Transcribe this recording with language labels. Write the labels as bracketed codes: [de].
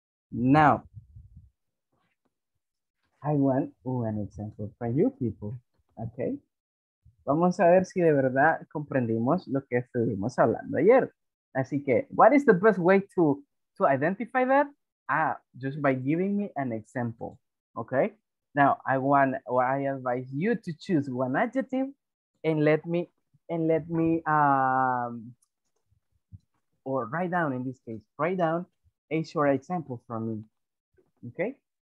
[en] Now, I want an example for you people, okay? [es] Vamos a ver si de verdad comprendimos lo que estuvimos hablando ayer. Así que, [en] what is the best way to identify that? Just by giving me an example, okay? Now, I advise you to choose one adjective and write down a short example for me, okay?